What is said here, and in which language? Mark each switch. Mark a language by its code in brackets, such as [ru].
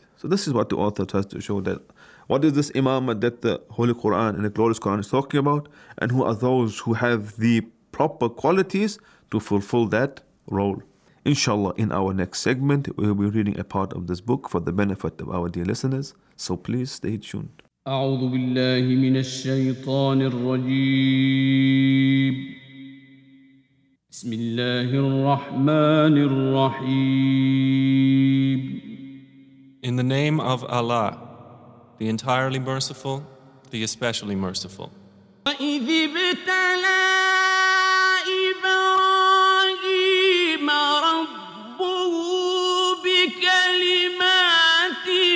[en] So this is what the author tries to show, that what is this imamat that the Holy Quran and the Glorious Quran is talking about, and who are those who have the proper qualities to fulfill that role. Inshallah, in our next segment, we will be reading a part of this book for the benefit of our dear listeners. So please stay tuned. [ar] أعوذ بالله من الشيطان الرجيم بسم الله الرحمن الرحيم. [en] In the name of Allah, the entirely merciful, the especially merciful. [ar] وإذ ابتلى إبراهيم ربه بكلمات